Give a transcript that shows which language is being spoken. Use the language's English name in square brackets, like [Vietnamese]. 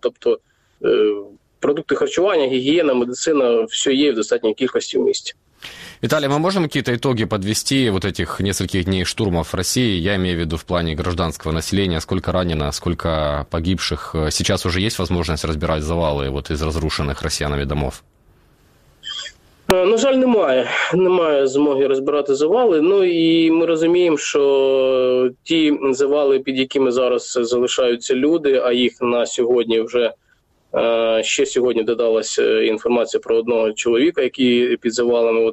[Ukrainian] Тобто продукти харчування, гігієна, медицина, все є в достатній кількості в місті. [Russian] Виталий, мы можем какие-то итоги подвести вот этих нескольких дней штурмов России? Я имею в виду в плане гражданского населения. Сколько ранено, сколько погибших? Сейчас уже есть возможность разбирать завалы вот из разрушенных россиянами домов? [Ukrainian] На жаль, немає. Немає змоги розбирати завали. Ну і ми розуміємо, що ті завали, під якими зараз залишаються люди, а їх на сьогодні вже, ще сьогодні додалася інформація про одного чоловіка, який під завалами.